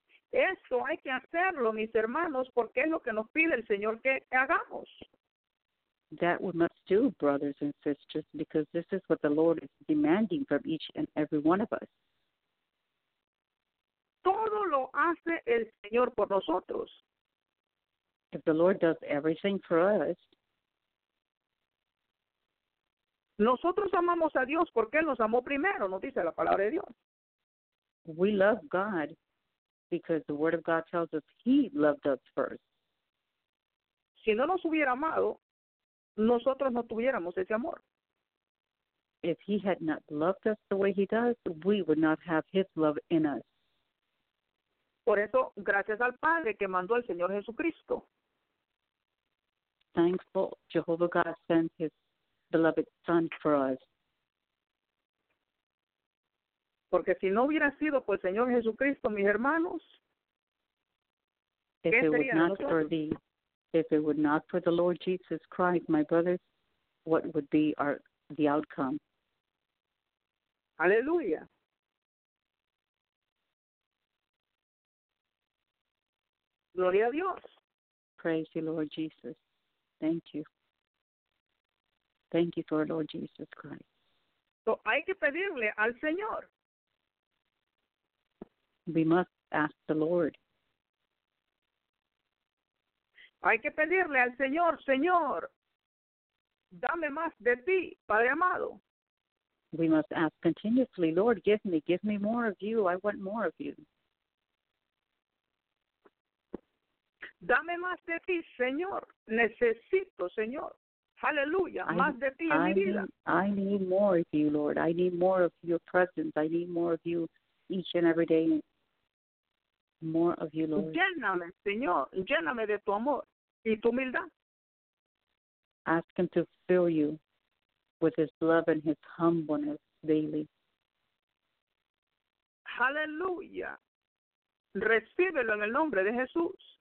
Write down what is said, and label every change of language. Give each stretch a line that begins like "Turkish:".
Spanish: Esto hay que hacerlo, mis hermanos, porque es lo que nos pide el Señor que hagamos.
English: That we must do, brothers and sisters, because this is what the Lord is demanding from each and every one of us.
Spanish: Todo lo hace el Señor por nosotros.
English: If the Lord does everything for us,
Spanish: nosotros amamos a Dios porque Él nos amó primero, nos dice la palabra de Dios.
English: We love God because the Word of God tells us He loved us first.
Spanish: Si no nos hubiera amado, nosotros no tuviéramos ese amor.
English: If He had not loved us the way He does, we would not have His love in us.
Spanish: Por eso, gracias al Padre que mandó al Señor Jesucristo.
English: Thankful Jehovah God sent His beloved Son for us.
Spanish: Porque si no hubiera sido por el Señor Jesucristo, mis hermanos,
English: if it would not for the, if it would not for the Lord Jesus Christ, my brothers, what would be our the outcome?
Spanish: Aleluya. Gloria a Dios.
English: Praise the Lord Jesus. Thank you. Thank you for Lord Jesus Christ.
Spanish: So hay que pedirle al Señor.
English: We must ask the Lord.
Spanish: Hay que pedirle al Señor, Señor, dame más de ti, Padre amado.
English: We must ask continuously, Lord, give me more of you. I want more of you.
Spanish: Dame más de ti, Señor. Necesito, Señor. Hallelujah. Más de ti en mi vida.
English: I need more of you, Lord. I need more of your presence. I need more of you each and every day. More of you, Lord.
Spanish: Lléname, Señor. Lléname de tu amor y tu humildad.
English: Ask Him to fill you with His love and His humbleness daily. Hallelujah.
Spanish: Recíbelo en el nombre de Jesús.